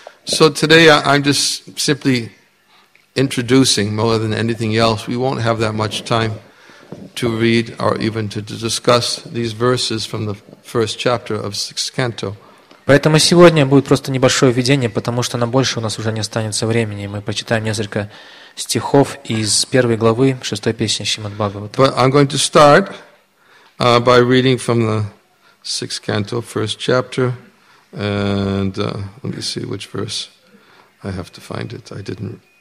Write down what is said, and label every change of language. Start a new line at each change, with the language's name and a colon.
English: So today I'm just simply introducing more than anything else. We won't have that much time to read or even to discuss these verses from the first chapter of sixth canto.
Russian: Поэтому сегодня будет просто небольшое введение, потому что на больше у нас уже не останется времени. Мы прочитаем несколько стихов из первой главы шестой песни Шримад Бхагаватам.
English: But I'm going to start by reading from the sixth canto, first chapter, and let me see which verse. I have to find it. I didn't.